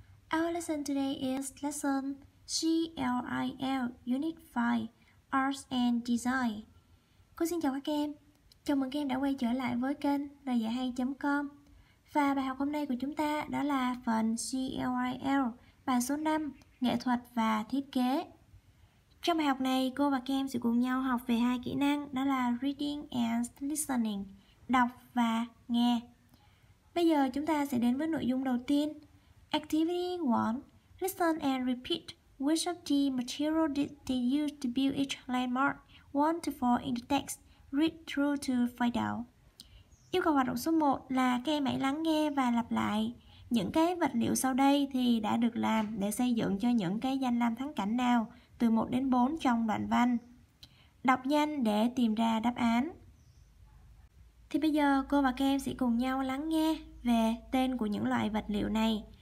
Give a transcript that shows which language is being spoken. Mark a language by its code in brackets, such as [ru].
[en] Our lesson today is lesson CLIL Unit 5 Arts and Design. [vi] Cô xin chào các em. Chào mừng các em đã quay trở lại với kênh layahai.com. Và bài học hôm nay của chúng ta đó là phần CLIL, bài số 5, nghệ thuật và thiết kế. Trong bài học này, cô và các em sẽ cùng nhau học về hai kỹ năng đó là [en] reading and listening, [vi] đọc và nghe. Bây giờ chúng ta sẽ đến với nội dung đầu tiên. [en] Activity 1. Listen and repeat which of the material did they use to build each landmark 1 to 4 in the text. Read through to find out. [vi] Yêu cầu hoạt động số 1 là các em hãy lắng nghe và lặp lại. Những cái vật liệu sau đây thì đã được làm để xây dựng cho những cái danh lam thắng cảnh nào từ 1 đến 4 trong đoạn văn. Đọc nhanh để tìm ra đáp án. Thì bây giờ cô và các em sẽ cùng nhau lắng nghe về tên của những loại vật liệu này.